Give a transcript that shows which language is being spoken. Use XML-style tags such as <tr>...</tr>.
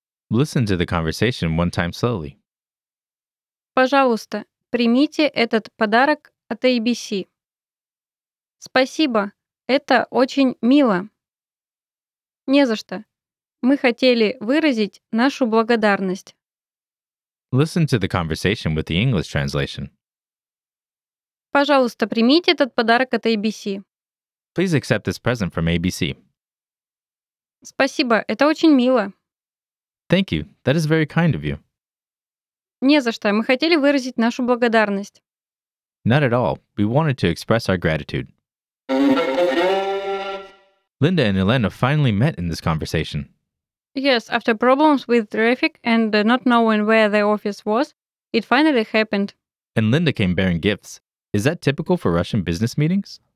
<en>Listen to the conversation one time slowly.</en> <ru>Пожалуйста, примите этот подарок от ABC. Спасибо, это очень мило. Не за что, мы хотели выразить нашу благодарность.</ru> <en>Listen to the conversation with the English translation.</en> <ru>Пожалуйста, примите этот подарок от ABC.</ru> <en>Please accept this present from ABC.</en> <ru>Спасибо, это очень мило.</ru> <en>Thank you, that is very kind of you.</en> <ru>Не за что, мы хотели выразить нашу благодарность.</ru> <en>Not at all, we wanted to express our gratitude. Linda and Elena finally met in this conversation. Yes, after problems with traffic and not knowing where the office was, it finally happened. And Linda came bearing gifts. Is that typical for Russian business meetings?</en>